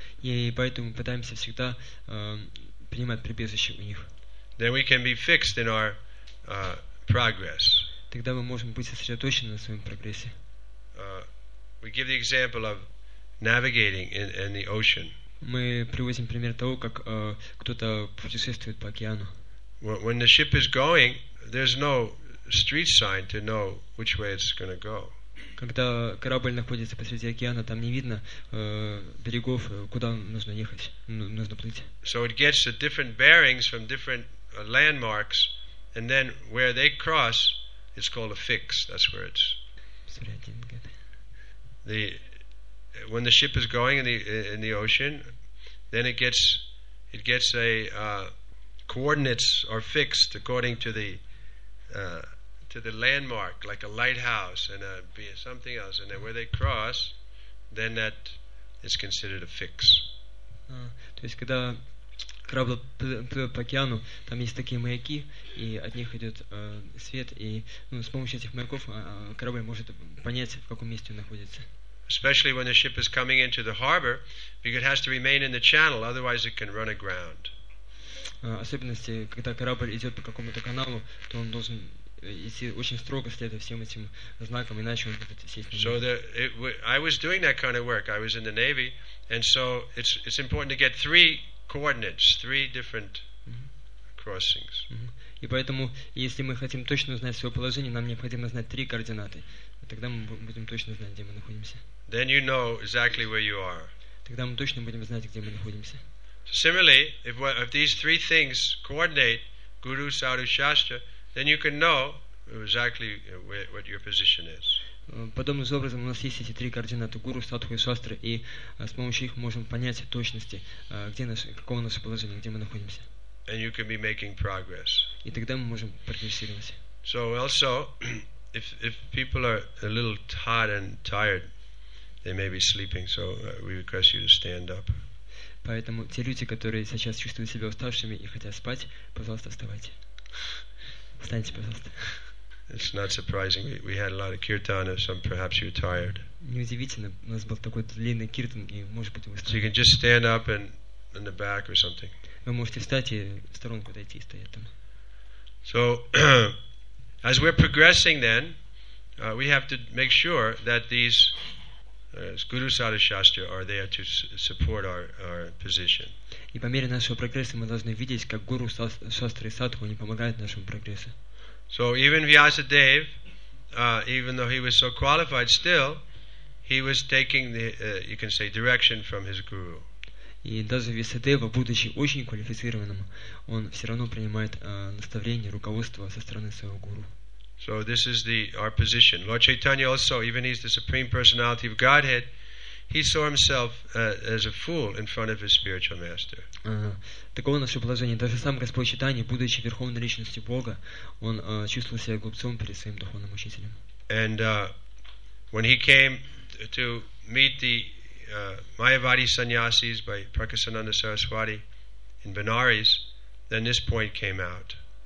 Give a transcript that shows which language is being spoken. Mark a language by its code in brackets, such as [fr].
[ru] И поэтому мы пытаемся всегда принимать прибежище у них. [en] Then we can be fixed in our progress. [ru] Тогда мы можем быть сосредоточены на своем прогрессе. [en] We give the example of navigating in the ocean. [ru] Мы приводим пример того, как кто-то путешествует по океану. [en] When the ship is going, there's no street sign to know which way it's going to go. [ru] Когда корабль находится посреди океана, там не видно берегов, куда нужно ехать, нужно плыть. [en] So it gets the different bearings from different landmarks, and then where they cross, it's called a fix. That's where it's. Sorry, I didn't get it. When the ship is going in the ocean, then it gets a coordinates are fixed according to the landmark, like a lighthouse and something else, and then where they cross, then that is considered a fix. [ru] То есть когда корабль плывет по океану, там есть такие маяки, и от них идет свет, и с помощью этих маяков корабль может понять, в каком месте он находится. [en] Especially when the ship is coming into the harbor, because it has to remain in the channel, otherwise it can run aground. [ru] Особенности, когда корабль идет по какому-то каналу, то он должен идти очень строго следуя всем этим знакам, иначе он будет сесть на. [en] So I was doing that kind of work. I was in the Navy, and so it's important to get three coordinates, three different crossings. [ru] И поэтому, если мы хотим точно знать свое положение, нам необходимо знать три координаты. Тогда мы будем точно знать, где мы находимся. [en] Then you know exactly where you are. [ru] Тогда мы точно будем знать, где мы находимся. [en] Similarly, if these three things coordinate, guru, sadhu, shastra, then you can know exactly what your position is. [ru] Подобным образом у нас есть эти три координаты: гуру, садху и шастра, и с помощью их можем понять точности, где каково наше положение, где мы находимся. [en] And you can be making progress. [ru] И тогда мы можем прогрессировать. [en] So also, if people are a little hot and tired, they may be sleeping, so we request you to stand up. [ru] Поэтому те люди, которые сейчас чувствуют себя уставшими и хотят спать, пожалуйста, вставайте. Встаньте, пожалуйста. [en] It's not surprising. We had a lot of kirtan, so perhaps you're tired. [ru] Неудивительно, у нас был такой длинный киртан, и может быть вы устали. [en] So you can just stand up and in the back or something. [ru] Вы можете встать и в сторонку отойти и стоять там. [en] So as we're progressing then, we have to make sure that these Guru Sadhu Shastra are there to support our position. [ru] И по мере нашего прогресса мы должны видеть, как Гуру Шастра и Садху не помогают нашему прогрессу. [en] So even Vyasadeva, even though he was so qualified, still he was taking the you can say direction from his guru. [ru] И даже Вьясадева, будучи очень квалифицированным, он все равно принимает наставление, руководство со стороны своего гуру. [en] So this is our position. Lord Chaitanya also, even he's the Supreme Personality of Godhead, he saw himself as a fool in front of his spiritual master. [ru] Таково наше положение. Даже сам Господь Чайтанья, будучи Верховной Личностью Бога, он чувствовал себя глупцом перед своим духовным учителем. [en] And when he came to meet the Mayavadi sannyasis by Prakasananda Saraswati in Benares, then this point came out.